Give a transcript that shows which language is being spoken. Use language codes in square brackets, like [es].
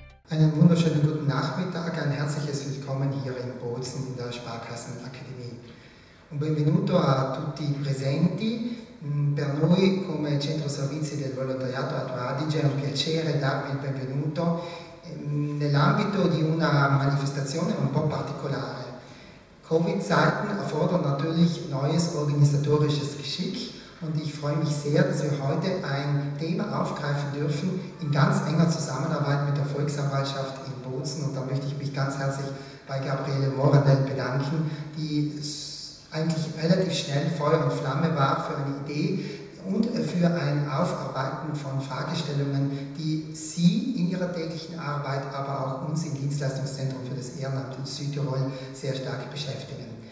[de] Einen wunderschönen guten Nachmittag, ein herzliches Willkommen hier in Bozen in der Sparkassenakademie. [it] Un benvenuto a tutti i presenti. Per noi come Centro Servizi del Volontariato Alto Adige è un piacere darvi il benvenuto nell'ambito di una manifestazione un po' particolare. [de] Covid-Zeiten erfordern natürlich neues organisatorisches Geschick. Und ich freue mich sehr, dass wir heute ein Thema aufgreifen dürfen in ganz enger Zusammenarbeit mit der Volksanwaltschaft in Bozen. Und da möchte ich mich ganz herzlich bei Gabriele Morandell bedanken, die eigentlich relativ schnell Feuer und Flamme war für eine Idee und für ein Aufarbeiten von Fragestellungen, die Sie in Ihrer täglichen Arbeit, aber auch uns im Dienstleistungszentrum für das Ehrenamt in Südtirol sehr stark beschäftigen.